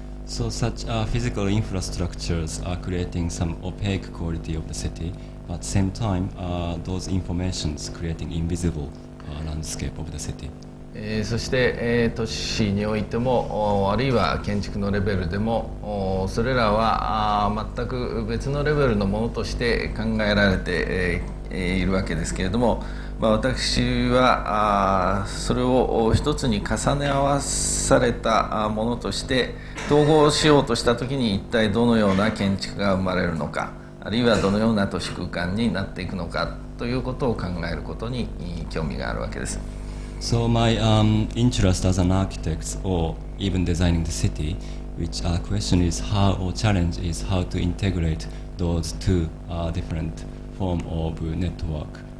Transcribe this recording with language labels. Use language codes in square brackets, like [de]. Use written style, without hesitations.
[en] So such physical infrastructures are creating some opaque quality of the city, but at the same time those informations creating invisible landscape of the city。 [ja] そして都市においても、あるいは建築のレベルでも、それらは全く別のレベルのものとして考えられているわけですけれども、私はそれを一つに重ね合わされたものとして統合しようとしたときに、一体どのような建築が生まれるのか、あるいはどのような都市空間になっていくのかということを考えることに興味があるわけです。 [en] So my interest as an architect or even designing the city, which question is how or challenge is how to integrate those two different form of network.